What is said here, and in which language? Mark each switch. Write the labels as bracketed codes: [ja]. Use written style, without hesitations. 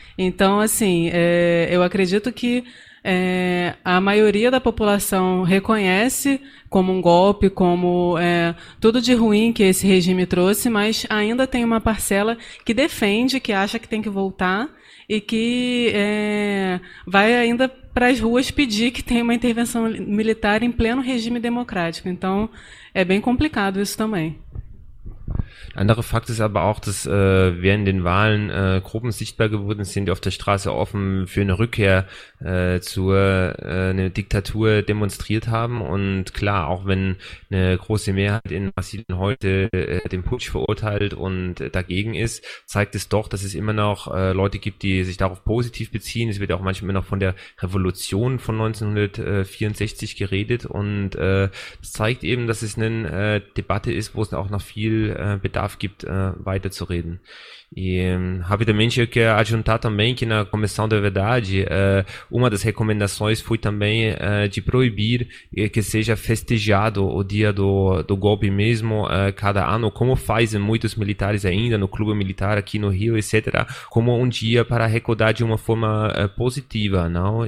[pt] Então, assim, eu acredito que a maioria da população reconhece como um golpe, como tudo de ruim que esse regime trouxe, mas ainda tem uma parcela que defende, que acha que tem que voltar e que vai ainda para as ruas pedir que tenha uma intervenção militar em pleno regime democrático. Então, é bem complicado isso também. [de] Andere Fakt ist aber auch, dass während den Wahlen Gruppen sichtbar geworden sind, die auf der Straße offen für eine Rückkehr zur eine Diktatur demonstriert haben. Und klar, auch wenn eine große Mehrheit in Brasilien heute den Putsch verurteilt und dagegen ist, zeigt es doch, dass es immer noch Leute gibt, die sich darauf positiv beziehen. Es wird auch manchmal noch von der Revolution von 1964 geredet. Und das zeigt eben, dass es eine Debatte ist, wo es auch noch viel Bedarf gibt, weiterzureden. [pt] E rapidamente eu quero adiantar também que na Comissão da Verdade uma das recomendações foi também de proibir que seja festejado o dia do golpe mesmo cada ano, como fazem muitos militares ainda no clube militar aqui no Rio, etc., como um dia para recordar de uma forma positiva, não?